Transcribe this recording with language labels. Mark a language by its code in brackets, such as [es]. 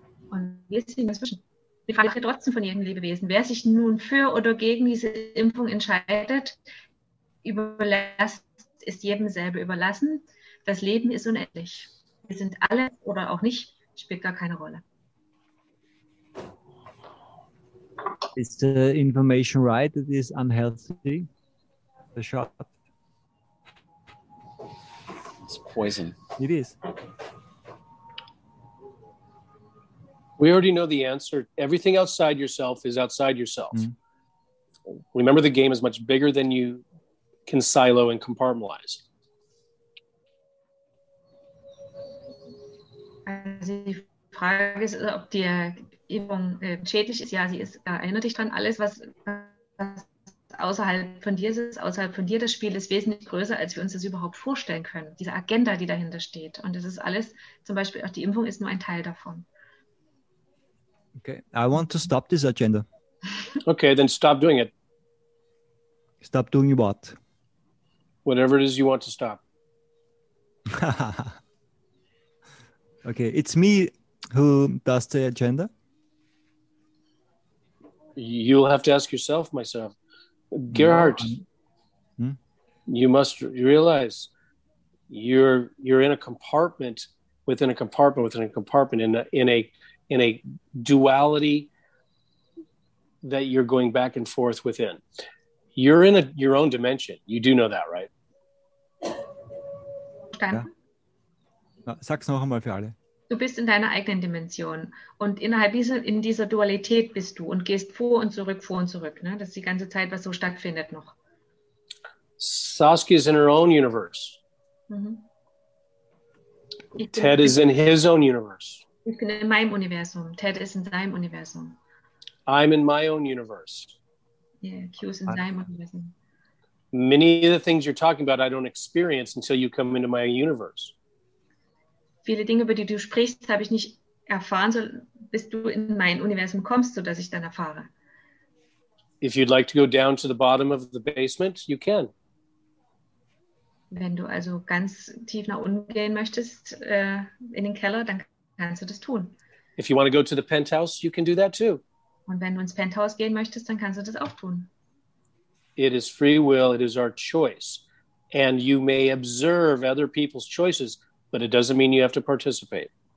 [de] Und wir sind inzwischen. Die Frage ist trotzdem von jedem Lebewesen. Wer sich nun für oder gegen diese Impfung entscheidet, ist jedem selber überlassen. Das Leben ist unendlich. Wir sind alle oder auch nicht, spielt gar keine Rolle. [en] Is the information right that it is unhealthy, the shot? It's poison. It is. We already know the answer. Everything outside yourself is outside yourself. Mm-hmm. Remember, the game is much bigger than you can silo and compartmentalize. [de] Also die Frage ist, ob die Impfung schädlich ist. Ja, sie ist, erinnert dich dran, alles, was außerhalb von dir ist, außerhalb von dir, das Spiel ist wesentlich größer, als wir uns das überhaupt vorstellen können, diese Agenda, die dahinter steht. Und das ist alles, zum Beispiel auch die Impfung ist nur ein Teil davon. [en] Okay, I want to stop this agenda. Okay, then stop doing it. Stop doing what? Whatever it is you want to stop. Okay, it's me who does the agenda. You'll have to ask yourself, myself. Gerhard, You must realize you're in a compartment within a compartment within a compartment in a duality that you're going back and forth within. You're in your own dimension. You do know that, right? [de] Ja. Sag's noch einmal für alle. Du bist in deiner eigenen Dimension und innerhalb dieser Dualität bist du und gehst vor und zurück, ne? Das ist die ganze Zeit, was so stattfindet noch. [en] Saskia is in her own universe. Mm-hmm. Ted is in his own universe. [de] Ich bin in meinem Universum. Ted ist in seinem Universum. [en] I'm in my own universe. [de] Yeah, Q ist in seinem Universum. [en] Many of the things you're talking about, I don't experience until you come into my universe. [de] Viele Dinge, über die du sprichst, habe ich nicht erfahren, bis du in mein Universum kommst, sodass ich dann erfahre. [en] If you'd like to go down to the bottom of the basement, you can. [de] Wenn du also ganz tief nach unten gehen möchtest, in den Keller, dann kannst du das tun. [en] If you want to go to the penthouse, you can do that too. [de] Und wenn du ins Penthouse gehen möchtest, dann kannst du das auch tun. [en] It is free will, it is our choice. And you may observe other people's choices, but it doesn't mean you have to participate.